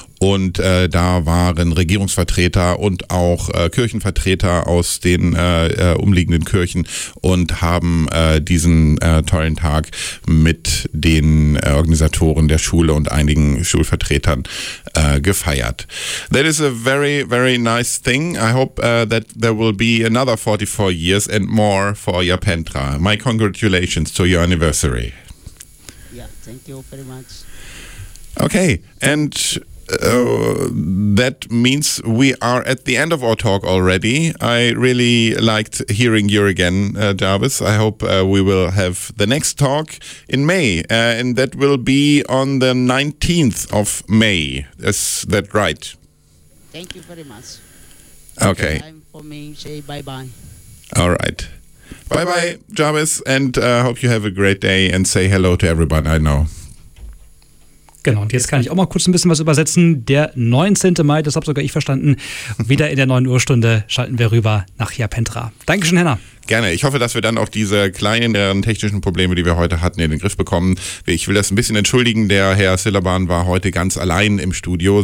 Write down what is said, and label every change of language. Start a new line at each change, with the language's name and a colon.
German: Und da waren Regierungsvertreter und auch Kirchenvertreter aus den umliegenden Kirchen und haben diesen tollen Tag mit den Organisatoren der Schule und einigen Schulvertretern gefeiert.
English: That is a very, very nice thing. I hope that there will be another 44 years and more for Japantra. My congratulations to your anniversary. Yeah, thank you very much. Okay, and that means we are at the end of our talk already. I really liked hearing you again, Jarvis. I hope we will have the next talk in May, and that will be on the 19th of May. Is that right? Thank you very much. Okay. Time for me. Say bye-bye. All right. Bye-bye, Jarvis, and hope you have a great day and say hello to everybody I know.
German: Genau, und jetzt kann ich auch mal kurz ein bisschen was übersetzen. Der 19. Mai, das habe sogar ich verstanden, wieder in der 9 Uhr Stunde schalten wir rüber nach Japantra. Dankeschön, Henna. Gerne. Ich hoffe, dass wir dann auch diese kleineren technischen Probleme, die wir heute hatten, in den Griff bekommen. Ich will das ein bisschen entschuldigen. Der Herr Silaban war heute ganz allein im Studio.